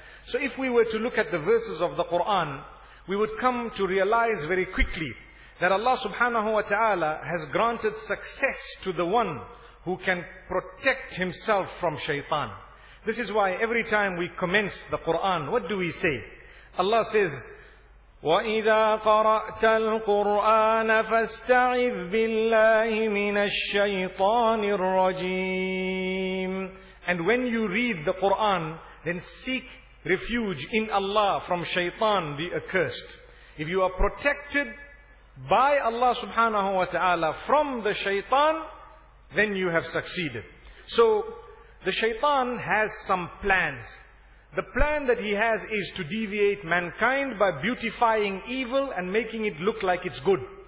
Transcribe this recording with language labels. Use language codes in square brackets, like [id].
[en] So if we were to look at the verses of the Quran, we would come to realize very quickly that Allah subhanahu wa ta'ala has granted success to the one who can protect himself from shaitan. This is why every time we commence the Quran, what do we say? Allah says, [ar] وَإِذَا قَرَأْتَ الْقُرْآنَ فَاسْتَعِذْ بِاللَّهِ مِنَ الشَّيْطَانِ الرَّجِيمِ. [en] And when you read the Quran, then seek refuge in Allah from shaitan the accursed. If you are protected by Allah subhanahu wa ta'ala from the shaitan, then you have succeeded. So, the shaitan has some plans. The plan that he has is to deviate mankind by beautifying evil and making it look like it's good.